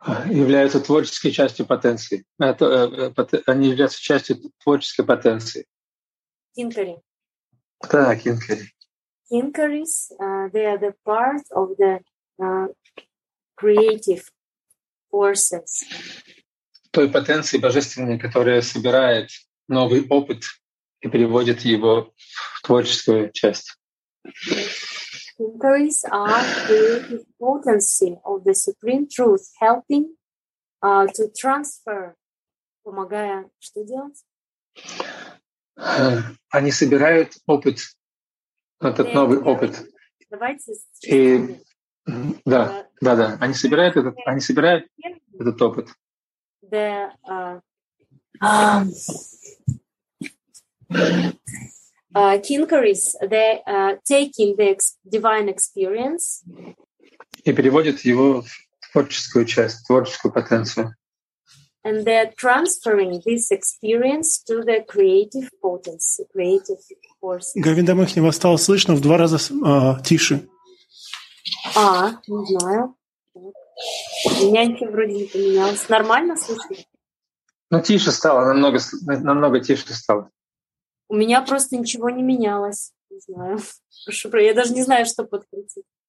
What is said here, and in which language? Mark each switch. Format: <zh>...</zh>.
<ru>Являются творческой частью потенции. Они являются частью творческой потенции. Кинкари. Да, кинкари.</ru> <en>Кинкарис, they are the part of the creative forces.</en> <ru>Той потенции божественной, которая собирает новый опыт и переводит его в творческую часть.</ru> <en>Inquiries are the potency of the supreme truth, helping to transfer.</en> <ru>Помогая, что делать? Они собирают опыт, этот новый опыт. Давайте. И да, да, да. Они собирают этот, они собирают этот опыт.</ru> <en>The Kinkaris, they taking the divine experience.</en> <ru>И переводят его в творческую часть, творческую потенцию.</ru> <en>And they're transferring this experience to the creative potency, creative force.</en> <ru>Говинда Махни, вас стало слышно в два раза тише. А, не знаю. Меня ничего вроде не поменялось. Нормально слышно? Ну, тише стало, намного тише стало. У меня просто ничего не менялось. Не знаю. Прошу, я даже не знаю, что подкрутить.</ru>